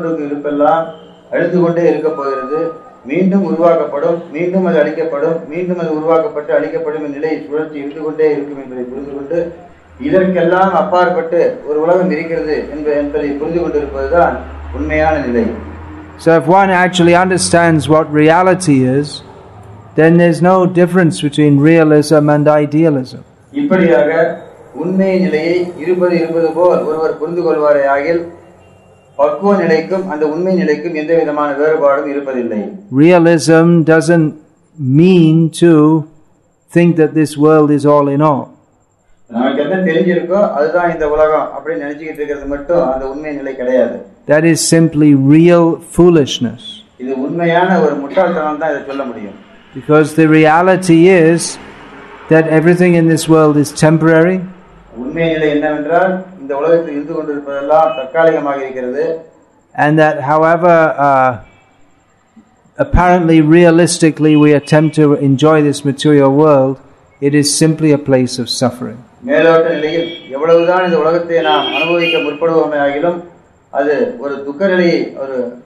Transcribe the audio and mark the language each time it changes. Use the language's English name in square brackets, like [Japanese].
[Tamil] அழுது கொண்டே இருக்க போகிறது, மீண்டும் உருவாக்கப்படும், மீண்டும் அது அழிக்கப்படும், மீண்டும் அது உருவாக்கப்பட்டு அழிக்கப்படும் நிலை சுழற்சி இருந்து கொண்டே இருக்கும் என்பதை புரிந்து கொண்டு, இதற்கெல்லாம் அப்பாற்பட்டு ஒரு உலகம் இருக்கிறது என்பதை புரிந்து கொண்டிருப்பதுதான் உண்மையான நிலை. [English] So if one actually understands what reality is, then there's no difference between realism and idealism. [Tamil] இப்படியாக உண்மை நிலையை இருப்பது இருப்பது போல் ஒருவர் புரிந்து கொள்வாரே ஆகில் பக்குவ நிலைக்கும் அந்த உண்மை நிலைக்கும் எந்த விதமான வேறுபாடும் இருப்பதில்லை. [English] Realism doesn't mean to think that this world is all in all. [Tamil] நமக்கு என்ன தெரிஞ்சிருக்கோ அதுதான் இந்த உலகம் அப்படி நினைச்சிட்டு இருக்கிறது மட்டும் அந்த உண்மை நிலை கிடையாது. [English] That is simply real foolishness. [Tamil] இது உண்மையான ஒரு முட்டாள்தனம் தான் இதை சொல்ல முடியும். [English] Because the reality is that everything in this world is temporary. [Tamil] உண்மை நிலை என்னவென்றால் இந்த உலகத்தில் இருந்து கொண்டிருப்பதெல்லாம் தற்காலிகமாக இருக்கிறது. [English] And that however apparently realistically we attempt to enjoy this material world, it is simply a place of suffering. [Tamil] மேலோட்ட நிலையில் எவ்வளவுதான் இந்த உலகத்தை நாம் அனுபவிக்க முற்படுவோமே ஆகிலும் அது ஒரு துக்க நிலையை ஒரு